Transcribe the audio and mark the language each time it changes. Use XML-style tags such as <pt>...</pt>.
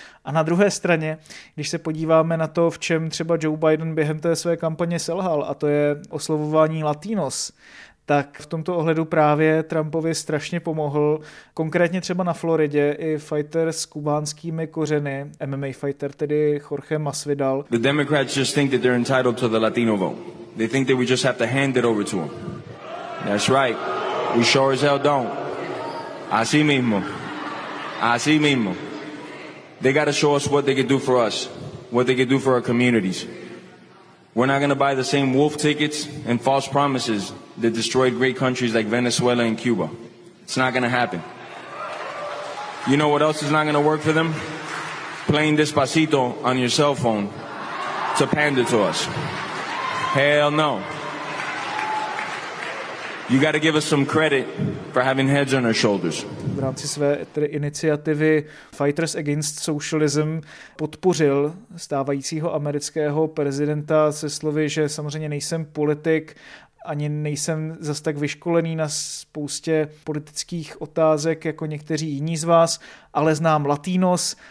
<cs>A na druhé straně, když se podíváme na to, v čem třeba Joe Biden během té své kampaně selhal, a to je oslovování Latinos, tak v tomto ohledu právě Trumpovi strašně pomohl, konkrétně třeba na Floridě, i fighter s kubánskými kořeny, MMA fighter, tedy Jorge Masvidal.</cs> <en>The Democrats just think that they're entitled to the Latino vote. They think that we just have to hand it over to them. That's right. We sure as hell don't.</en> <es>Así mismo. Así mismo.</es> <en>They gotta show us what they can do for us. What they can do for our communities. We're not gonna buy the same wolf tickets and false promises that destroyed great countries like Venezuela and Cuba. It's not gonna happen. You know what else is not gonna work for them? Playing Despacito on your cell phone to pander to us. Hell no. You gotta give us some credit for having heads on our shoulders.</en> <cs>V rámci své tedy iniciativy Fighters Against Socialism podpořil stávajícího amerického prezidenta se slovy, že samozřejmě nejsem politik, ani nejsem zas tak vyškolený na spoustě politických otázek jako někteří jiní z vás, ale znám Latinos.</cs>